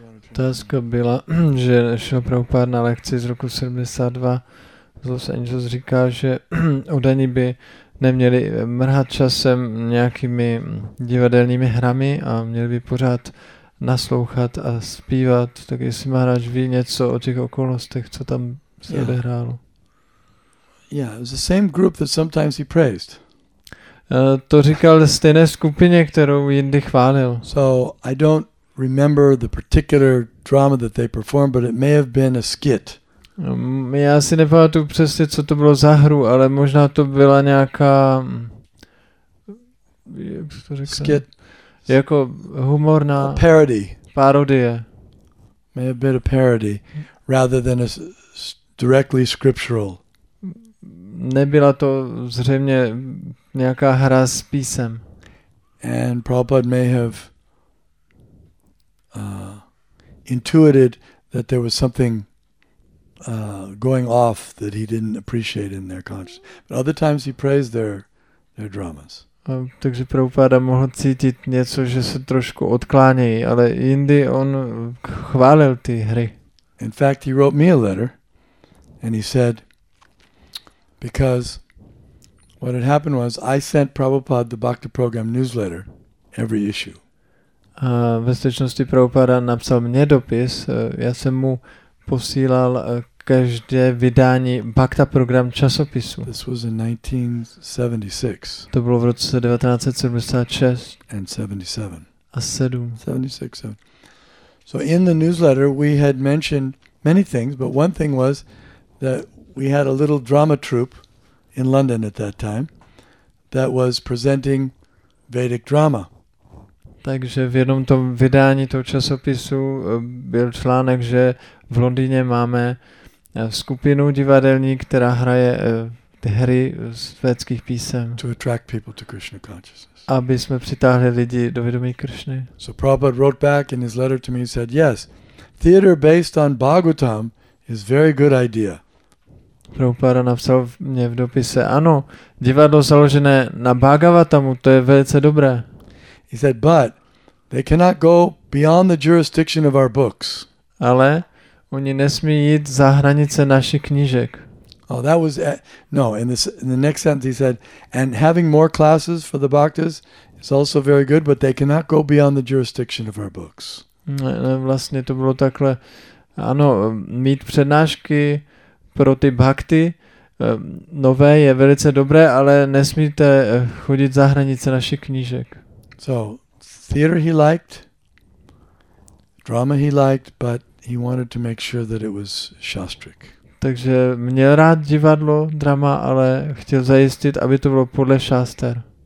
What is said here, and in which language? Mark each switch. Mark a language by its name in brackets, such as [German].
[Czech] Otázka byla, že Šíla Prabhupád na lekci z roku 72 z Los Angeles říká, že udaní by neměli mrhat časem nějakými divadelními hrami a měli by pořád naslouchat a zpívat. Tak jestli Maharaj ví něco o těch okolnostech, co tam se odehrálo. [English] Yeah, it was the same group that sometimes he praised. [Czech] To říkal stejné skupině, kterou jindy chválil. [English] So I don't remember the particular drama that they performed, but it may have been a skit. [Czech] Já si nepamatuju přesně, co to bylo za hru, ale možná to byla nějaká, jak se to říká? [English] Skit. [Czech] Jako humorná [English] parody. [Czech] Parodie. [English] May have been a parody. rather than a directly scriptural. [Czech] Nebyla to zřejmě nějaká hra s písem. [English] And Prabhupada may have intuited that there was something going off that he didn't appreciate in their consciousness. But other times he praised their dramas. [Czech] Takže Prabhupada mohl cítit něco, že se trošku odklánějí, ale jindy on chválil ty hry. [English] In fact, he wrote me a letter and he said, because what had happened was I sent Prabhupada the Bhakti program newsletter every issue. [Czech] A ve skutečnosti Prabhupada napsal mě dopis, já jsem mu posílal každé vydání Bhakta program časopisu. [English] This was in 1976. [Czech] To bylo v roce 1976 [English] and 77. [Czech] A 7. [English] 76. 7. So in the newsletter we had mentioned many things, but one thing was that we had a little drama troupe in London at that time that was presenting Vedic drama. [Czech] Takže v jednom tom vydání toho časopisu byl článek, že v Londýně máme skupinu divadelní, která hraje ty hry z védských písem. [English] To attract people to Krishna consciousness. [Czech] Aby jsme přitáhli lidi do vědomí Krishny. [English] So Prabhupada wrote back in his letter to me, said, yes, theater based on Bhagavatam is very good idea. [Czech] Prabhupada napsal mě v dopise, ano, divadlo založené na Bhagavatamu, to je velice dobré. [English] He said, but they cannot go beyond the jurisdiction of our books. [Czech] Ale oni nesmí jít za hranice našich knížek. [English] Oh, that was no. In the next sentence, he said, and having more classes for the bhaktas is also very good, but they cannot go beyond the jurisdiction of our books. [Czech] No, vlastně to bylo takhle. Ano, mít přednášky pro ty bhakty nové je velice dobré, ale nesmíte chodit za hranice našich knížek. [English] So, theater he liked, drama he liked, but he wanted to make sure that it was shastric. [Czech] Takže měl rád divadlo, drama, ale chtěl zajistit, aby to bylo podle šáster.